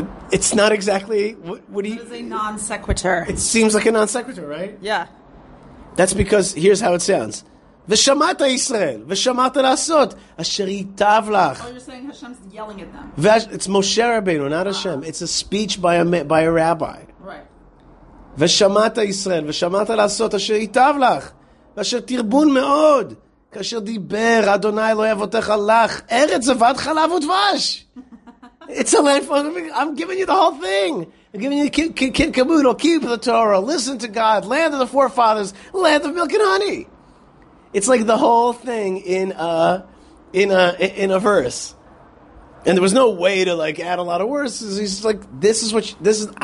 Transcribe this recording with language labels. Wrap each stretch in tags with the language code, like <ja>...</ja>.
<en>It's not exactly what he. It is a non sequitur. It seems like a non sequitur, right? Yeah. That's because here's how it sounds.</en> <he>V'shamata Yisrael, v'shamata lasot, asher itav lach.</he> <en>Oh, you're saying Hashem's yelling at them. It's Moshe Rabbeinu, not Hashem. It's a speech by a rabbi. Right.</en> <he>ושמעת ישראל, ושמעת לעשות אשר יטב לך, ואשר תרבון מאוד, כאשר דיבר אדוני אלוהי אבותיך לך, ארץ זבת חלב ודבש.</he> <en>It's a life of, I'm giving you the whole thing. I'm giving you kid kaboodle, keep the Torah, listen to God, land of the forefathers, land of milk and honey. It's like the whole thing in a verse. And there was no way to like add a lot of words. He's just like, this is what you, this is.</en>